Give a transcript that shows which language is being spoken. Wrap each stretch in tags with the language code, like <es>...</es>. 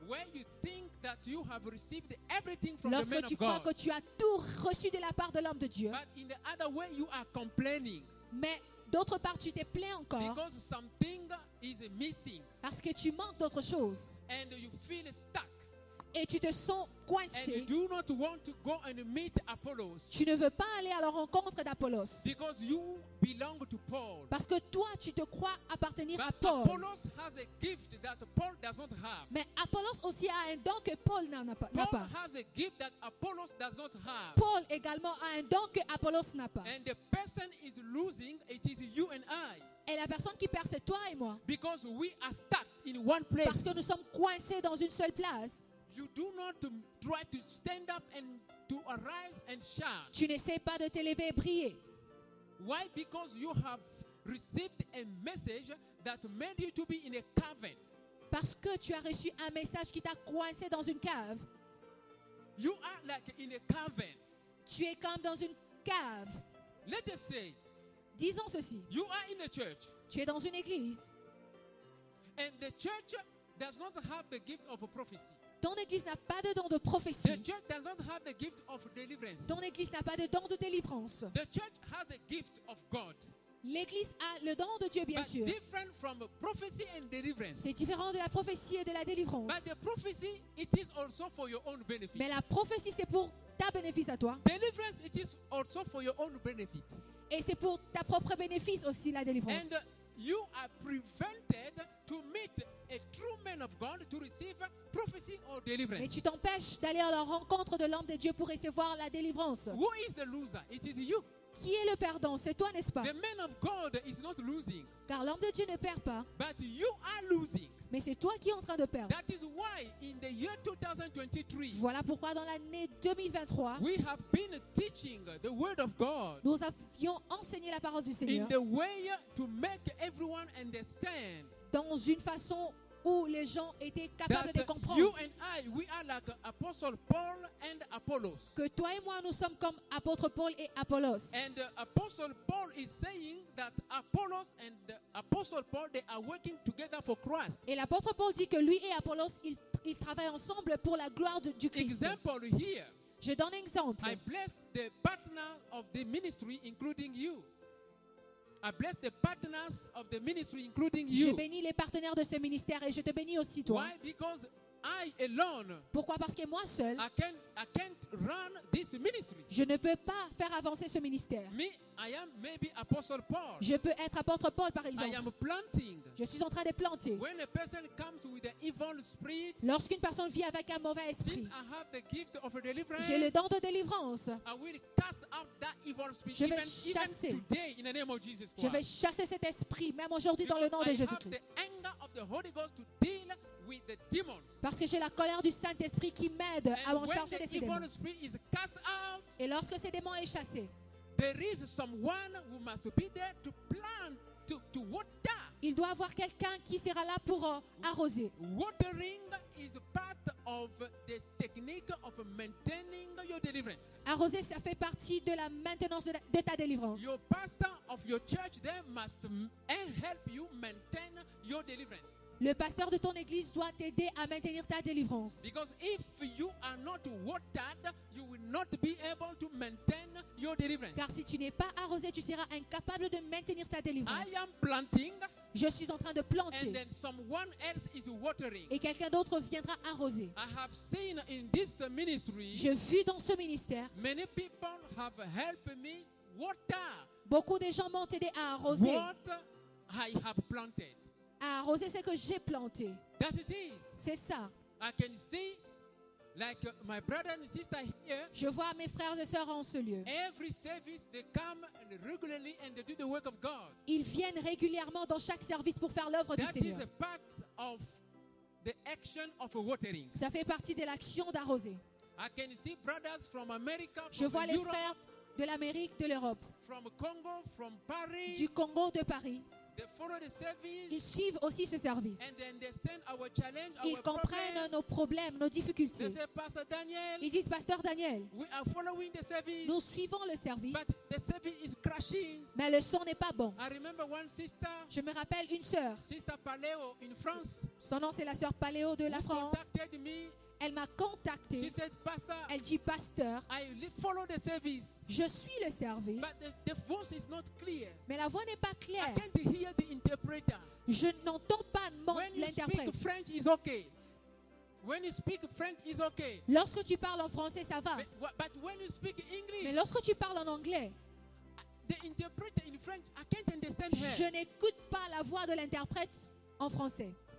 <en>where you think that you have received everything from</en> <fr>lorsque</fr> <en>the man of God.</en> <fr>Lorsque tu crois que tu as tout reçu de la part de l'homme de Dieu.</fr> <en>But in the other way, you are complaining.</en> <fr>Mais d'autre part, tu t'es plaint encore.</fr> <en>Because something is missing.</en> <fr>Parce que tu manques d'autre chose.</fr> <en>And you feel stuck.</en> <fr>Et tu te sens coincé.</fr> <en>And you do not want to go and meet Apollos.</en> <fr>Tu ne veux pas aller à la rencontre d'Apollos.</fr> <en>Because you belong to Paul.</en> <fr>Parce que toi, tu te crois appartenir</fr> <en>But</en> <fr>à Paul.</fr> <en>Apollos has a gift that Paul doesn't have.</en> <fr>Mais Apollos aussi a un don que Paul n'a pas.</fr> <en>Paul has a gift that Apollos doesn't have.</en> <fr>Paul également a un don que Apollos n'a pas.</fr> <en>And the person is losing, it is you and I.</en> <fr>Et la personne qui perd, c'est toi et moi.</fr> <en>Because we are stuck in one place.</en> <fr>Parce que nous sommes coincés dans une seule place.</fr> <en>You do not try to stand up and to arise and shine.</en> <fr>Tu n'essaies pas de te lever et briller.</fr> <en>Why? Because you have received a message that made you to be in a cavern.</en> <fr>Parce que tu as reçu un message qui t'a coincé dans une cave.</fr> <en>You are like in a cavern.</en> <fr>Tu es comme dans une cave.</fr> <en>Let us say.</en> <fr>Disons ceci.</fr> <en>You are in a church.</en> <fr>Tu es dans une église.</fr> <en>And the church does not have the gift of a prophecy.</en> <fr>Ton église n'a pas de don de prophétie.</fr> <en>The church doesn't have the gift of deliverance.</en> <fr>Ton église n'a pas de don de délivrance.</fr> <en>The church has a gift of God.</en> <fr>L'église a le don de Dieu, bien</fr> <en>But</en> <fr>sûr.</fr> <en>Different from prophecy and deliverance.</en> <fr>C'est différent de la prophétie et de la délivrance.</fr> <en>But the prophecy, it is also for your own benefit.</en> <fr>Mais la prophétie, c'est pour ta bénéfice à toi.</fr> <en>Deliverance, it is also for your own benefit.</en> <fr>Et c'est pour ta propre bénéfice aussi, la délivrance.</fr> <en>And you are prevented to meet a true man of God to receive prophecy or deliverance.</en> <fr>Mais tu t'empêches d'aller à la rencontre de l'homme de Dieu pour recevoir la délivrance.</fr> <en>Who is the loser? It is you.</en> <fr>Qui est le perdant? C'est toi, n'est-ce pas?</fr> <en>The man of God is not losing.</en> <fr>Car l'homme de Dieu ne perd pas.</fr> <en>But you are losing.</en> <fr>Mais c'est toi qui es en train de perdre.</fr> <en>That is why in the year 2023.</en> <fr>Voilà pourquoi dans l'année 2023.</fr> <en>We have been teaching the word of God.</en> <fr>Nous avions enseigné la parole du Seigneur.</fr> <en>In the way to make everyone understand.</en> <fr>Dans une façon où les gens étaient capables</fr> <en>that</en> <fr>de comprendre.</fr> <en>You and I, we are like Apostle Paul and Apollos.</en> <fr>Que toi et moi, nous sommes comme apôtre Paul et Apollos.</fr> <en>And Apostle Paul is saying that Apollos and Apostle Paul, they are working together for Christ.</en> <fr>Et l'apôtre Paul dit que lui et Apollos, ils travaillent ensemble pour la gloire du Christ.</fr> <en>Example here.</en> <fr>Je donne exemple.</fr> <en>I bless the partner of the ministry, including you. I bless the partners of the ministry, including you.</en> <fr>Je bénis les partenaires de ce ministère et je te bénis aussi toi.</fr> <en>Why? Because I alone.</en> <fr>Pourquoi? Parce que moi seul.</fr> <en>I can't run this ministry.</en> <fr>Je ne peux pas faire avancer ce ministère.</fr> <en>Me, I am maybe Apostle Paul.</en> <fr>Je peux être apôtre Paul, par exemple.</fr> <en>I am planting.</en> <fr>Je suis en train de planter.</fr> <en>When a person comes with an evil spirit.</en> <fr>Lorsqu'une personne vit avec un mauvais esprit.</fr> <en>Since I have the gift of a deliverance.</en> <fr>J'ai le don de délivrance.</fr> <en>I will cast out that evil spirit.</en> <fr>Je vais chasser.</fr> <en>Even today, in the name of Jesus Christ.</en> <fr>Je vais chasser cet esprit, même aujourd'hui, dans le nom de Jésus Christ.</fr> <en>I have the anger of the Holy Ghost to deal. With the demons.</en> <fr>Parce que j'ai la colère du Saint-Esprit qui m'aide</fr> <en>and</en> <fr>à en charger les démons.</fr> <en>Is cast out,</en> <fr>et lorsque ces démons sont chassés,</fr> <en>there is someone who must be there to plant, to water.</en> <fr>Il doit avoir quelqu'un qui sera là pour arroser.</fr> <en>Watering is part of the technique of maintaining your deliverance.</en> <fr>Arroser, ça fait partie de la maintenance de ta délivrance.</fr> <en>Your pastor of your church there must help you maintain your deliverance.</en> <fr>Le pasteur de ton église doit t'aider à maintenir ta délivrance.</fr> <en>Because if you are not watered, you will not be able to maintain your deliverance.</en> <fr>Car si tu n'es pas arrosé, tu seras incapable de maintenir ta délivrance.</fr> <en>I am planting.</en> <fr>Je suis en train de planter.</fr> <en>And then someone else is watering.</en> <fr>Et quelqu'un d'autre viendra arroser.</fr> <en>I have seen in this ministry.</en> <fr>J'ai vu dans ce ministère.</fr> <en>Many people have helped me water.</en> <fr>Beaucoup de gens m'ont aidé à arroser.</fr> <en>What I have planted.</en> <fr>À arroser ce que j'ai planté.</fr> <en>That it is.</en> <fr>C'est ça.</fr> <en>I can see, like my brother and sister here.</en> <fr>Je vois mes frères et sœurs en ce lieu.</fr> <en>Every service they come regularly and they do the work of God.</en> <fr>Ils viennent régulièrement dans chaque service pour faire l'œuvre du Seigneur.</fr> <en>That is a part of the action of watering.</en> <fr>Ça fait partie de l'action d'arroser.</fr> <en>I can see brothers from America.</en> <fr>Je vois les frères de l'Amérique, de l'Europe.</fr> <en>From Congo, from Paris.</en> <fr>Du Congo, de Paris.</fr> <en>They follow the service.</en> <fr>Ils suivent aussi ce service.</fr> <en>And they understand our challenge,</en> <fr>ils</fr> <en>our</en> <fr>comprennent</fr> <en>problem.</en> <fr>Nos problèmes, nos difficultés.</fr> <en>They say, Pastor Daniel,</en> <fr>ils disent, Pasteur Daniel,</fr> <en>we are following the service,</en> <fr>nous suivons le service,</fr> <en>but the service is crashing.</en> <fr>Mais le son n'est pas bon.</fr> <en>I remember one sister,</en> <fr>je me rappelle une sœur,</fr> <en>Sister Paléo in France,</en> <fr>son nom c'est la sœur Paléo de la France.</fr> <en>Contacted me.</en> <fr>Elle m'a contacté.</fr> <en>She said, Pastor,</en> <fr>elle dit, Pasteur,</fr> <en>I follow the service,</en> <fr>je suis le service,</fr> <en>but the voice is not clear.</en> <fr>Mais la voix n'est pas claire.</fr> <en>I can't hear the interpreter.</en> <fr>Je n'entends pas</fr> <en>When</en> <fr>l'interprète.</fr> <en>You speak French, it's okay. When you speak French, it's okay.</en> <fr>Lorsque tu parles en français, ça va.</fr> <en>But when you speak English,</en> <fr>mais lorsque tu parles en anglais,</fr> <en>the interpreter in French, I can't understand her.</en> <fr>Je n'écoute pas la voix de l'interprète en français.</fr>